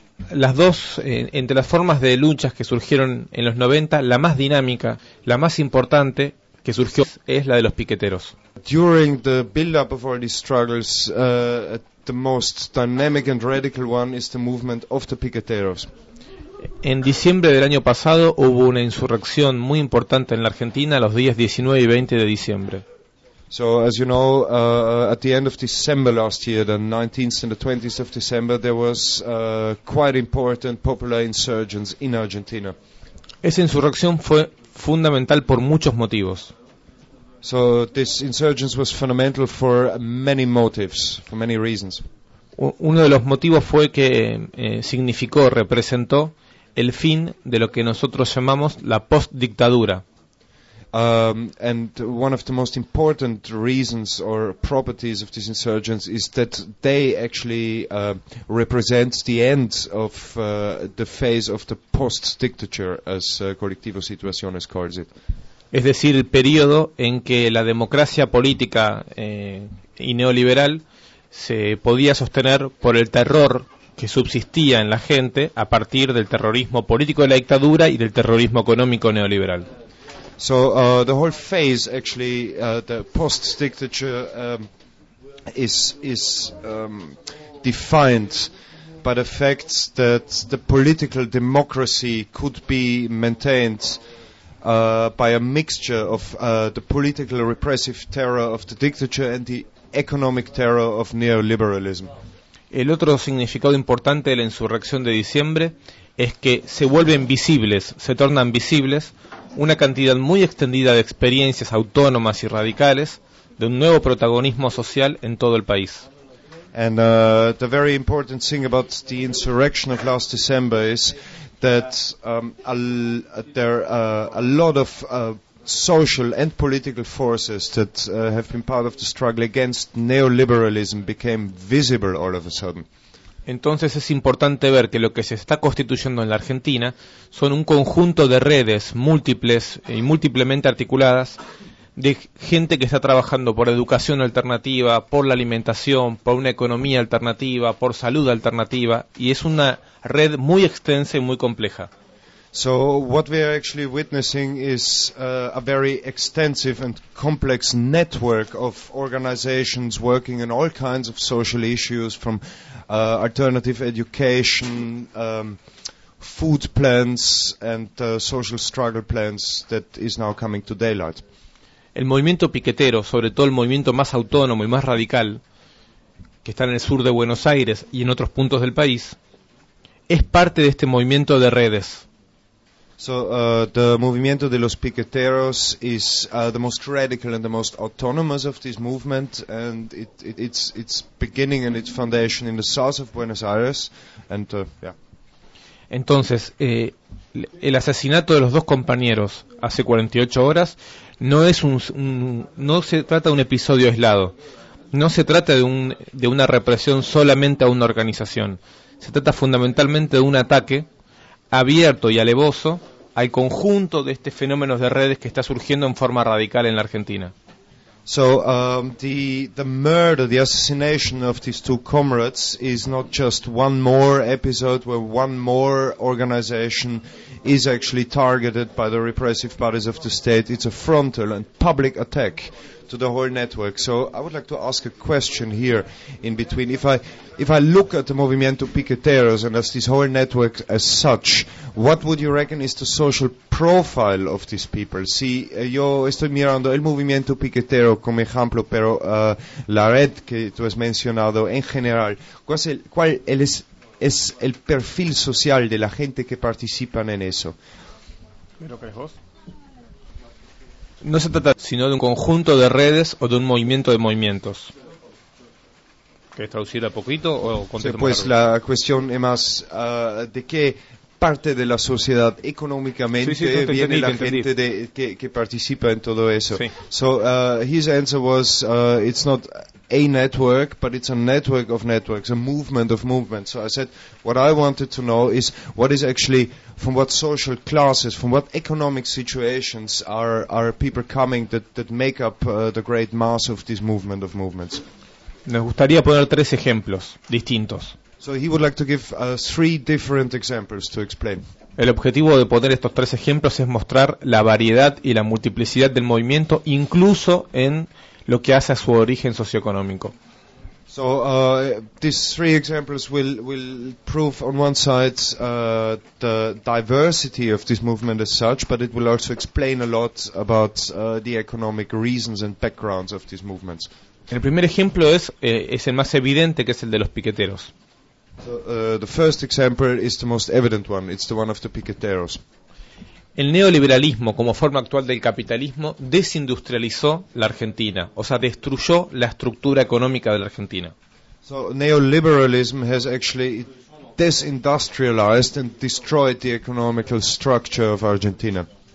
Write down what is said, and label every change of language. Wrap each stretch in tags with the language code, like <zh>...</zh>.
<es>Las dos, entre las formas de luchas que surgieron en los 90, la más dinámica, la más importante... que surgió es la de los piqueteros.</es> <en>During the build-up of all these struggles, the most dynamic and radical one is the movement of the piqueteros.</en> <es>En diciembre del año pasado hubo una insurrección muy importante en la Argentina los días 19 y 20 de diciembre.</es> <en>So as you know, at the end of December last year, the 19th and the 20th of December, there was quite important popular insurgence in Argentina.</en> <es>Esa insurrección fue fundamental por muchos motivos.</es> <en>So this insurgence was fundamental for many motives, for many reasons.</en> <es>Uno de los motivos fue que significó, representó el fin de lo que nosotros llamamos la post-dictadura.</es> <en>And one of the most important reasons or properties of this insurgence is that they actually represent the end of the phase of the post-dictature, as Colectivo Situaciones calls it.</en> <es>Es decir, el periodo en que la democracia política y neoliberal se podía sostener por el terror que subsistía en la gente a partir del terrorismo político de la dictadura y del terrorismo económico neoliberal.</es> <en>So the whole phase, actually, the post-dictature is defined by the fact that the political democracy could be maintained by a mixture of the political repressive terror of the dictature and the economic terror of neoliberalism.</en> <es>El otro significado importante de la insurrección de diciembre es que se vuelven visibles, se tornan visibles una cantidad muy extendida de experiencias autónomas y radicales de un nuevo protagonismo social en todo el país.</es> <en>And the very important thing about the insurrection of last December is that there are a lot of social and political forces that have been part of the struggle against neoliberalism became visible all of a sudden.</en> <es>Entonces es importante ver que lo que se está constituyendo en la Argentina son un conjunto de redes múltiples y múltiplemente articuladas de gente que está trabajando por educación alternativa, por la alimentación, por una economía alternativa, por salud alternativa, y es una red muy extensa y muy compleja.</es> <en>So what we are actually witnessing is a very extensive and complex network of organizations working in all kinds of social issues, from alternative education, food plans and social struggle plans that is now coming to daylight.</en> <es>El movimiento piquetero, sobre todo el movimiento más autónomo y más radical, que está en el sur de Buenos Aires y en otros puntos del país, es parte de este movimiento de redes.</es> <en>So the</en> <es>movimiento de los piqueteros</es> <en>is the most radical and the most autonomous of this movement, and it's beginning and its foundation in the south of Buenos Aires, and yeah.</en> <es>Entonces, el asesinato de los dos compañeros hace 48 horas no es no se trata de un episodio aislado, no se trata de una represión solamente a una organización, se trata fundamentalmente de un ataque abierto y alevoso al conjunto de este fenómeno de redes que está surgiendo en forma radical en la Argentina.</es> <en>So the murder, the assassination of these two comrades is not just one more episode where one more organization is actually targeted by the repressive bodies of the state. It's a frontal and public attack to the whole network. So I would like to ask a question here in between. If I look at the Movimiento Piqueteros and as this whole network as such, what would you reckon is the social profile of these people?</en> <es>Si, yo estoy mirando el Movimiento Piquetero como ejemplo, pero la red que tú has mencionado en general, ¿cuál es el perfil social de la gente que participan en eso? ¿Pero crees vos? No se trata sino de un conjunto de redes o de un movimiento de movimientos. ¿Querés traducir a poquito o contesto? Sí, pues la cuestión es más de qué parte de la sociedad económicamente viene la gente que participa en todo eso. Sí.</es> <en>So his answer was it's not a network, but it's a network of networks, a movement of movements. So I said, what I wanted to know is what is actually, from what social classes, from what economic situations are people coming that make up the great mass of this movement of movements.</en> <es>Nos gustaría poner tres ejemplos distintos.</es> <en>So he would like to give three different examples to explain.</en> <es>El objetivo de poner estos tres ejemplos es mostrar la variedad y la multiplicidad del movimiento, incluso en lo que hace a su origen socioeconómico.</es> <en>So these three examples will prove on one side the diversity of this movement as such, but it will also explain a lot about the economic reasons and backgrounds of these movements.</en> <es>El primer ejemplo es el más evidente, que es el de los piqueteros.</es> <en>So, the first example is the most evident one. It's the one of the piqueteros.</en> <es>El neoliberalismo como forma actual del capitalismo desindustrializó la Argentina, o sea, destruyó la estructura económica de la Argentina.</es> <en>So neoliberalism has actually desindustrialized and destroyed the economical structure of Argentina.</en>